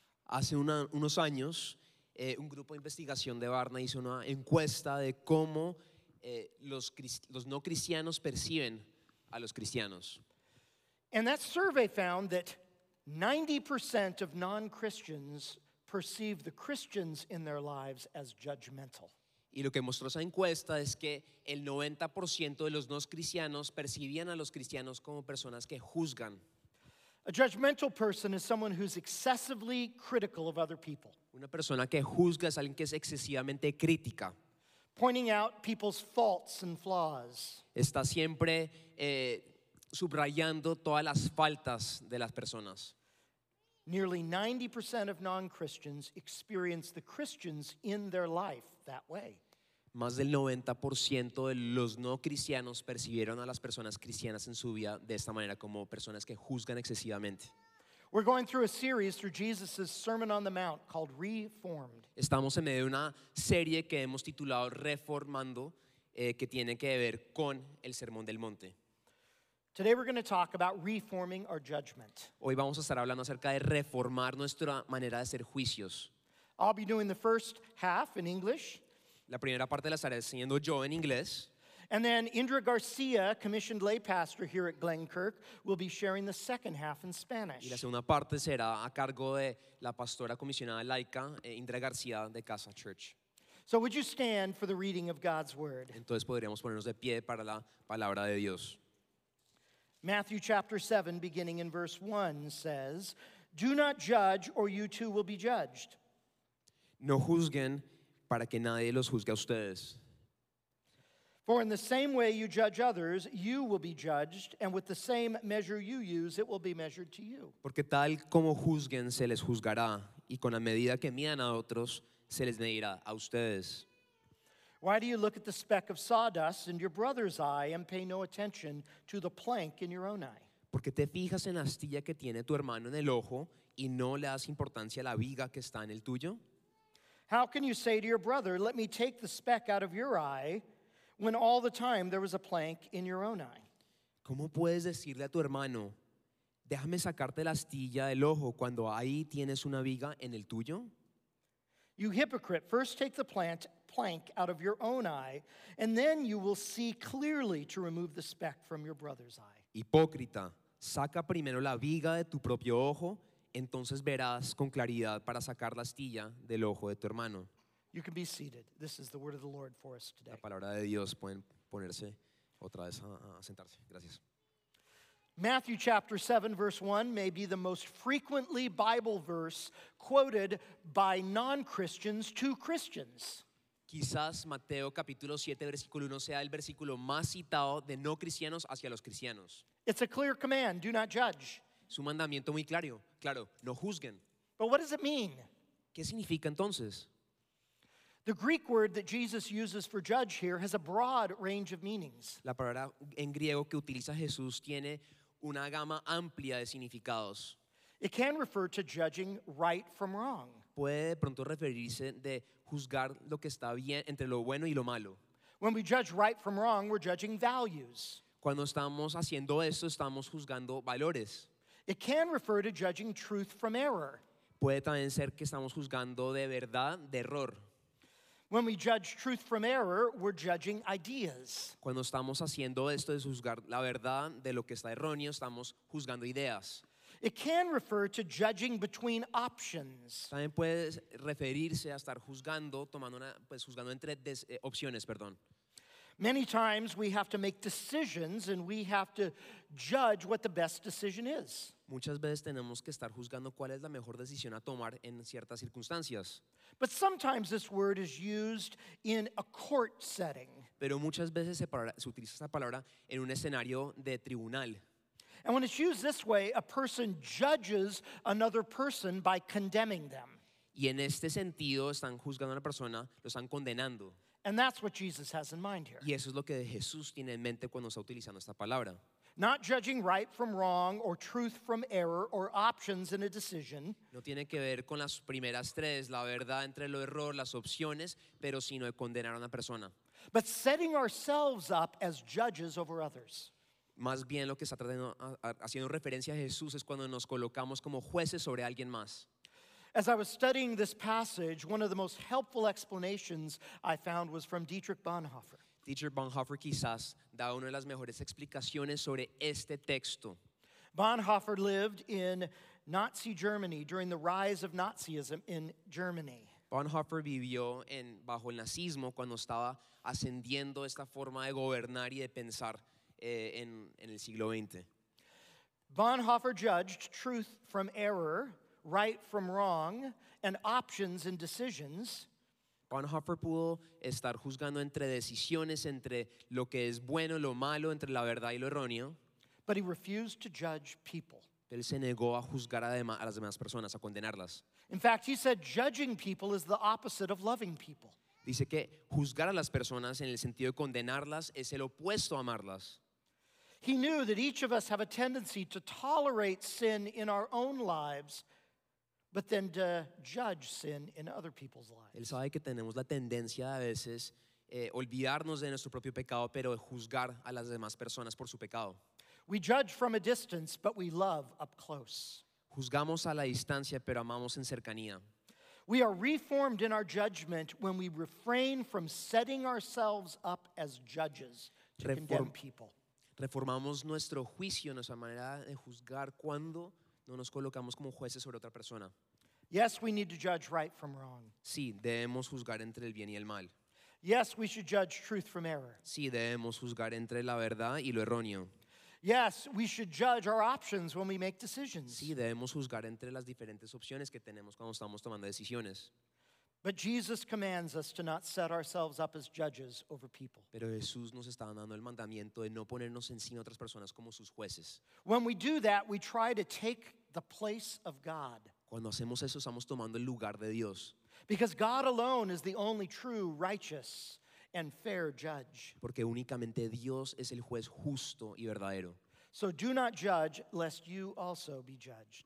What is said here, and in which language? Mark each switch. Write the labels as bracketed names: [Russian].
[Spanish] Hace unos años, un grupo de investigación de Barna hizo una encuesta de cómo los no cristianos perciben a los cristianos. [English] And that survey found that 90% of non-Christians perceive the Christians in their lives as judgmental. [Spanish] Y lo que mostró esa encuesta es que el 90% de los no cristianos percibían a los cristianos como personas que juzgan. [English] A judgmental person is someone who's excessively critical of other people. [Spanish] Una persona que juzga es alguien que es excesivamente crítica. [English] Pointing out people's faults and flaws. [Spanish] Está siempre subrayando todas las faltas de las personas. [English] Nearly 90% of non-Christians experience the Christians in their life that way. [Spanish] Más del 90% de los no cristianos percibieron a las personas cristianas en su vida de esta manera, como personas que juzgan excesivamente. [English] We're going through a series through Jesus' Sermon on the Mount called Reformed. [Spanish] Estamos en medio de una serie que hemos titulado Reformando, que tiene que ver con el Sermón del Monte. [English] Today we're going to talk about reforming our judgment. [Spanish] Hoy vamos a estar hablando acerca de reformar nuestra manera de hacer juicios. [English] I'll be doing the first half in English. [Spanish] La primera parte la estaré enseñando yo en inglés. [English] And then Indra Garcia, commissioned lay pastor here at Glenkirk, will be sharing the second half in Spanish. [Spanish] Y la segunda parte será a cargo de la pastora comisionada laica, Indra García, de Casa Church. [English] So would you stand for the reading of God's word? [Spanish] Entonces podríamos ponernos de pie para la palabra de Dios. [English] Matthew chapter 7, beginning in verse 1, says, "Do not judge, or you too will be judged." [Spanish] No juzguen para que nadie los juzgue a ustedes. [English] "For in the same way you judge others, you will be judged, and with the same measure you use, it will be measured to you." [Spanish] Porque tal como juzguen, se les juzgará, y con la medida que midan a otros, se les medirá a ustedes. [English] "Why do you look at the speck of sawdust in your brother's eye and pay no attention to the plank in your own eye?" [Spanish] Porque te fijas en la astilla que tiene tu hermano en el ojo y no le das importancia a la viga que está en el tuyo? [English] "How can you say to your brother, 'Let me take the speck out of your eye,' when all the time there was a plank in your own eye?" [Spanish] ¿Cómo puedes decirle a tu hermano, déjame sacarte la astilla del ojo, cuando ahí tienes una viga en el tuyo? [English] "You hypocrite, first take the plank out of your own eye, and then you will see clearly to remove the speck from your brother's eye." [Spanish] Hipócrita, saca primero la viga de tu propio ojo, entonces verás con claridad para sacar la astilla del ojo de tu hermano. [English] You can be seated. This is the word of the Lord for us today. [Spanish] La palabra de Dios. Pueden ponerse otra vez a sentarse. Gracias. [English] Matthew chapter 7, verse 1 may be the most frequently Bible verse quoted by non-Christians to Christians. [Spanish] Quizás Mateo capítulo 7, versículo 1 sea el versículo más citado de no cristianos hacia los cristianos. [English] It's a clear command, do not judge. [Spanish] Es un mandamiento muy claro, claro, no juzguen. [English] But what does it mean? [Spanish] ¿Qué significa entonces? [English] The Greek word that Jesus uses for judge here has a broad range of meanings. [Spanish] La palabra en griego que utiliza Jesús tiene una gama amplia de significados. [English] It can refer to judging right from wrong. [Spanish] Puede pronto referirse de juzgar lo que está bien entre lo bueno y lo malo. [English] When we judge right from wrong, we're judging values. [Spanish] Cuando estamos haciendo esto, estamos juzgando valores. [English] It can refer to judging truth from error. [Spanish] Puede también ser que estamos juzgando de verdad, de error. [English] When we judge truth from error, we're judging ideas. [Spanish] Cuando estamos haciendo esto de juzgar la verdad de lo que está erróneo, estamos juzgando ideas. [English] It can refer to judging between options. [Spanish] También puede referirse a estar juzgando, tomando una, pues juzgando entre opciones, perdón. [English] Many times we have to make decisions and we have to judge what the best decision is. [Spanish] Muchas veces tenemos que estar juzgando cuál es la mejor decisión a tomar en ciertas circunstancias. [English] But sometimes this word is used in a court setting. [Spanish] Pero muchas veces se utiliza esta palabra en un escenario de tribunal. [English] And when it's used this way, a person judges another person by condemning them. [Spanish] Y en este sentido están juzgando a una persona, lo están condenando. [English] And that's what Jesus has in mind here. [Spanish] Y eso es lo que Jesús tiene en mente cuando está utilizando esta palabra. [English] Not judging right from wrong or truth from error or options in a decision. [Spanish] No tiene que ver con las primeras tres, la verdad entre el error, las opciones, pero sino de condenar a una persona. [English] But setting ourselves up as judges over others. [Spanish] Más bien lo que está tratando, haciendo referencia a Jesús es cuando nos colocamos como jueces sobre alguien más. [English] As I was studying this passage, one of the most helpful explanations I found was from Dietrich Bonhoeffer. [Spanish] Dietrich Bonhoeffer quizás da una de las mejores explicaciones sobre este texto. [English] Bonhoeffer lived in Nazi Germany during the rise of Nazism in Germany. [Spanish] Bonhoeffer vivió en bajo el nazismo cuando estaba ascendiendo esta forma de gobernar y de pensar en el siglo XX. [English] Bonhoeffer judged truth from error, right from wrong, and options in decisions. [Spanish] Bonhoeffer pudo estar juzgando entre decisiones, entre lo que es bueno, lo malo, entre la verdad y lo erróneo. [English] But he refused to judge people. [Spanish] Él se negó a juzgar a las demás personas, a condenarlas. [English] In fact, he said judging people is the opposite of loving people. [Spanish] Dice que juzgar a las personas en el sentido de condenarlas es el opuesto a amarlas. [English] He knew that each of us have a tendency to tolerate sin in our own lives, but then to judge sin in other people's lives. [Spanish] Él sabe que tenemos la tendencia a veces olvidarnos de nuestro propio pecado, pero de juzgar a las demás personas por su pecado. [English] We judge from a distance, but we love up close. [Spanish] Juzgamos a la distancia, pero amamos en cercanía. [English] We are reformed in our judgment when we refrain from setting ourselves up as judges to condemn people. [Spanish] Reformamos nuestro juicio, nuestra manera de juzgar cuando no nos colocamos como jueces sobre otra persona. [English] Yes, we need to judge right from wrong. [Spanish] Sí, debemos juzgar entre el bien y el mal. [English] Yes, we should judge truth from error. [Spanish] Sí, debemos juzgar entre la verdad y lo erróneo. [English] Yes, we should judge our options when we make decisions. [Spanish] Sí, debemos juzgar entre las diferentes opciones que tenemos cuando estamos tomando decisiones. [English] But Jesus commands us to not set ourselves up as judges over people. [Spanish] Pero Jesús nos está dando el mandamiento de no ponernos encima de otras personas como sus jueces. [English] When we do that, we try to take the place of God. [Spanish] Cuando hacemos eso, estamos tomando el lugar de Dios. [English] Because God alone is the only true, righteous, and fair judge. [Spanish] Porque únicamente Dios es el juez justo y verdadero. [English] So do not judge, lest you also be judged.